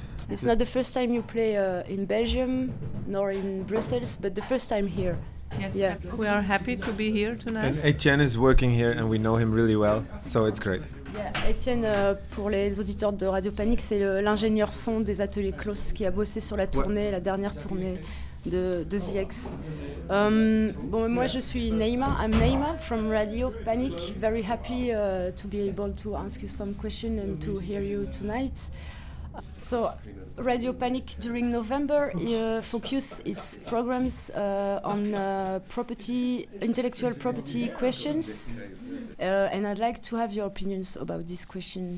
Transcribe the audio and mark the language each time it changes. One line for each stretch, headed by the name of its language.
English: It's not the first time you play in Belgium, nor in Brussels, but the first time here. Yes, yeah. We are happy to be here tonight. And Etienne is working here and we know him really well, so it's great.
French: Yeah, Etienne, pour les auditeurs de Radio Panique, c'est l'ingénieur son des ateliers Klaus qui a bossé sur la tournée, la dernière tournée de ZX. Bon, moi je suis Naïma,
English: I'm Naïma from Radio Panique. Very happy to be able to ask you some questions and to hear you tonight. So, Radio Panic during November focus its programs on intellectual property questions, and I'd like to have your opinions about this question.